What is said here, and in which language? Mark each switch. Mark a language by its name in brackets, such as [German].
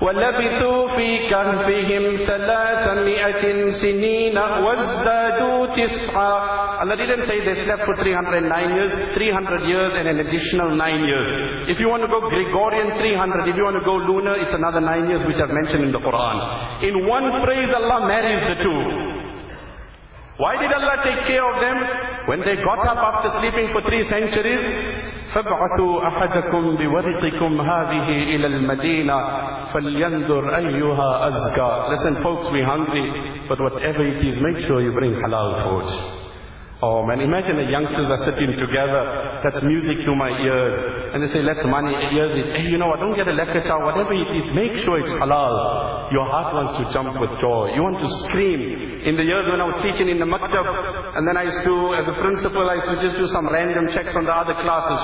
[Arabic] ولبثوا في كهفهم 300 سنين وازدادوا تسعا. [English] Allah didn't say they slept for 309 years, 300 years and an additional 9 years. If you want to go Gregorian 300, if you want to go lunar, it's another 9 years which are mentioned in the Quran. In one phrase Allah marries the two. Why did Allah take care of them? When they got up after sleeping for 3 centuries, [Arabic] فَبْعَثُوا أَحَدَكُمْ بِوَرِقِكُمْ هَذِهِ إِلَى الْمَدِينَةِ فَلْيَنْدُرْ أَيُّهَا أَزْكَى. [English] Listen folks, we're hungry, but whatever it is, make sure you bring halal food. Oh man, imagine the youngsters are sitting together, that's music to my ears, and they say, let's money, ears it. Hey, you know what, don't get a lakata, whatever it is, make sure it's halal. Your heart wants to jump with joy, you want to scream. In the years when I was teaching in the maktab, and then I used to, as a principal, I used to just do some random checks on the other classes.